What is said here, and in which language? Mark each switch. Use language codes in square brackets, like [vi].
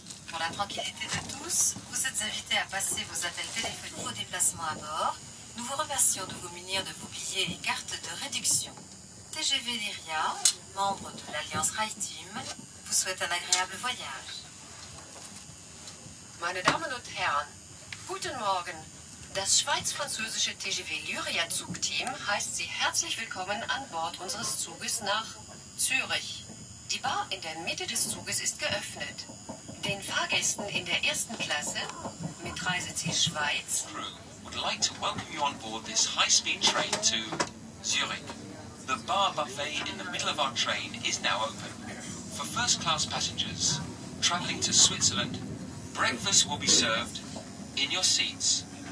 [fr] Pour la tranquillité de tous, vous êtes invités à passer vos appels téléphoniques au déplacement à bord. Nous vous remercions de vous munir de vos billets et cartes de réduction. TGV Lyria, membre de l'Alliance Rail Team, vous souhaite un agréable voyage. [de] Meine Damen und Herren, guten Morgen! Das schweiz-französische TGV Lyria Zugteam heißt Sie herzlich willkommen an Bord unseres Zuges nach Zürich. Die Bar in der Mitte des Zuges ist geöffnet. Den Fahrgästen in der ersten Klasse mit Reiseziel Schweiz [en] would like to welcome you on board this high-speed train to Zürich. The bar buffet in the middle of our train is now open. For first-class passengers traveling to Switzerland, breakfast will be served in your seats.